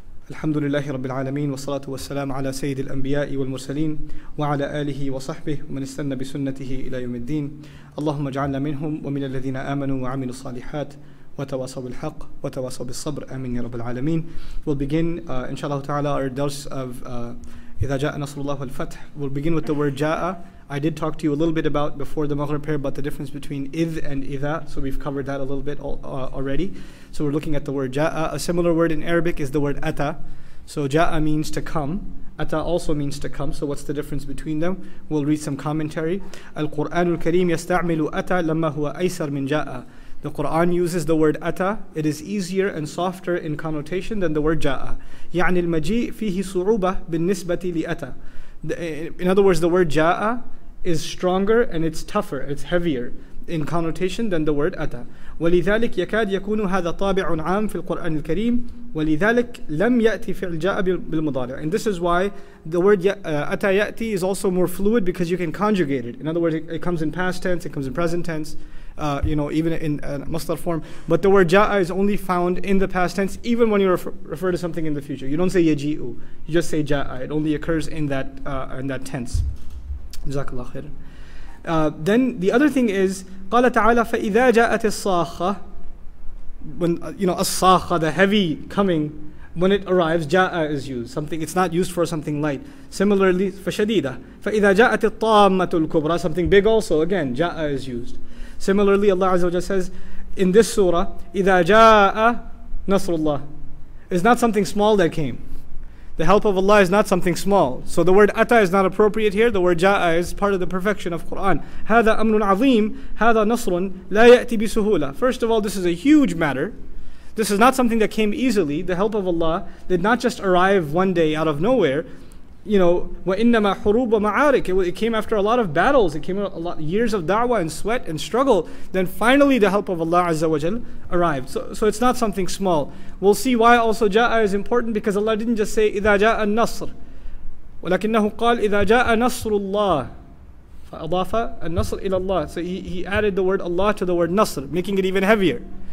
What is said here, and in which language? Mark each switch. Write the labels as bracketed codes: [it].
[ar] الحمد لله رب العالمين والصلاة والسلام على سيد الأنبياء والمرسلين وعلى آله وصحبه ومن استنى بسنته إلى يوم الدين اللهم اجعلنا منهم ومن الذين آمنوا وعملوا الصالحات وتواصوا بالحق وتواصوا بالصبر آمين يا رب العالمين. [en] We'll begin [ar] إن شاء الله تعالى [en] our درس of [ar] إذا جاء نصر الله والفتح. [en] We'll begin with the word جاء. I did talk to you a little bit about before the Maghrib prayer about the difference between إذ and إذا, so we've covered that a little bit already. So we're looking at the word جَاءَ. A similar word in Arabic is the word أَتَى. So جَاءَ means to come. أَتَى also means to come. So what's the difference between them? We'll read some commentary. [ar] القرآن الكريم يستعمل أَتَى لما هو أيسر من جَاءَ. [en] The Quran uses the word أَتَى. It is easier and softer in connotation than the word جَاءَ. [ar] يعني المجيء فيه صعوبة بالنسبة لأَتَى. [en] In other words, the word جَاءَ is stronger and it's tougher, it's heavier in connotation than the word أَتَى. [ar] ولذلك يكاد يكون هذا طابع عام في القرآن الكريم ولذلك لم يأتي فعل جاء بالمضارع. [en] And this is why the word أتى يأتي is also more fluid, because you can conjugate it. In other words, it comes in past tense, it comes in present tense, even in مصدر form. But the word جاء is only found in the past tense, even when you refer to something in the future. You don't say يجيء, you just say جاء. It only occurs in that tense. [ar] جزاكالله خير. [en] Then the other thing is, [ar] قال تعالى فإذا جاءت الصاخة, [en] when الصاخة, the heavy coming, when it arrives, جاء is used. Something, it's not used for something light. Similarly, فشديدة, [ar] فإذا جاءت الطامة الكبرى, [en] something big also, again, جاء is used. Similarly, Allah Azza wa Jalla says in this surah, [ar] إذا جاء نصر الله, [en] is not something small that came. The help of Allah is not something small. So the word أتى is not appropriate here. The word جاء is part of the perfection of Quran. [ar] هذا أمر عظيم, هذا نصر لا يأتي بسهولة. [en] First of all, this is a huge matter. This is not something that came easily. The help of Allah did not just arrive one day out of nowhere. You know, [ar] وإنما حروب ومعارك. [en] It came after a lot of battles. It came after a lot years of da'wah and sweat and struggle. Then finally, the help of Allah Azza wa Jal arrived. So it's not something small. We'll see why also جَاءَ is important, because Allah didn't just say [ar] إذا جاء النصر, ولكنه قال إذا جاء نصر الله فأضاف النصر إلى الله. [en] So he added the word Allah to the word نصر, making it even heavier.